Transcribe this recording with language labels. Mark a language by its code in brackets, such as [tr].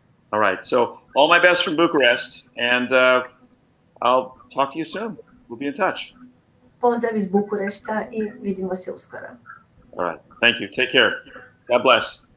[en] All right, so all my best from Bucharest and I'll talk to you soon. We'll be in touch. [hr] Pozdrav iz Bukurešta I vidimo se uskoro. [en] All right, thank you. Take care. God bless.